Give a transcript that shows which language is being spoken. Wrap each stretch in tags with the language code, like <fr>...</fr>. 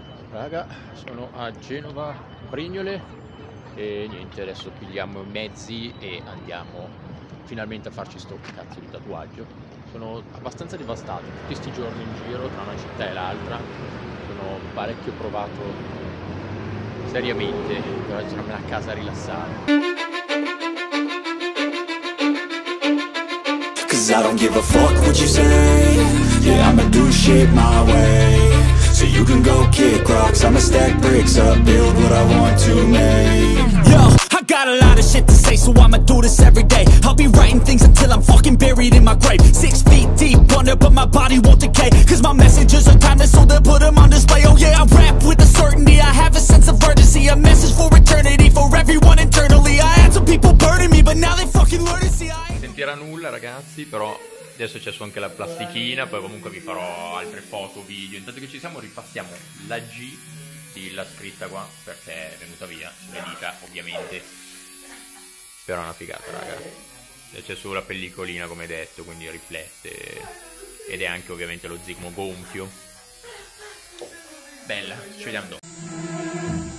<it>Raga, sono a Genova, Brignole, e niente, adesso pigliamo i mezzi e andiamo finalmente a farci sto cazzo di tatuaggio. Sono abbastanza devastato tutti questi giorni in giro tra una città e l'altra, sono parecchio provato seriamente per andare a casa a rilassare.</it> <en>Cause I don't give a fuck what you say, yeah I'ma do shit my way, so you can go kick rocks, I'ma stack bricks up, build what I want to make. Yo, I got a lot of shit to say, so I'ma do this every day. I'll be writing things until I'm fucking buried in my grave. 6 feet deep under, but my body won't decay. Cause my messages are timeless, so they'll put them on display. Oh yeah, I rap with a certainty, I have a sense of urgency. A message for eternity, for everyone internally. I had some people burning me, but now they fucking learn to see.</en> <it>Non sentirà nulla, ragazzi, però adesso c'è su anche la plastichina. Poi comunque vi farò altre foto, video. Intanto che ci siamo, ripassiamo la G. La scritta qua perché è venuta via le dita ovviamente, però è una figata raga, c'è solo la pellicolina come detto, quindi riflette ed è anche ovviamente lo zigomo gonfio. Bella, ci vediamo dopo.</it>